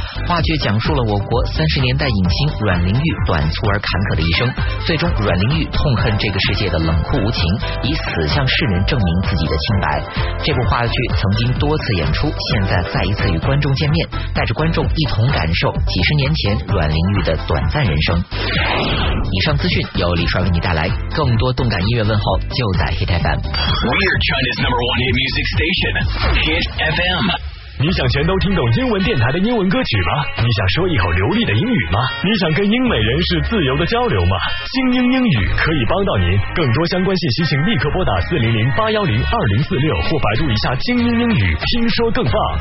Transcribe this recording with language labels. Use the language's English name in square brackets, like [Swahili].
[Chinese] 话剧讲述了我国30年代影星阮玲玉短促而坎坷的一生，最终阮玲玉痛恨这个世界的冷酷无情，以此向世人证明自己的清白。这部话剧曾经多次演出，现在再一次与观众见面，带着观众一同感受几十年前阮玲玉的短暂人生。以上资讯由李帅为你带来，更多动感音乐问候就在 Hit FM。 [English] We're China's number one hit music station, Hit FM。 [Chinese] 你想全都听懂英文电台的英文歌曲吗？你想说一口流利的英语吗？你想跟英美人士自由的交流吗？精英英语可以帮到您，更多相关信息请立刻拨打400-810-2046或百度一下精英英语，听说更棒。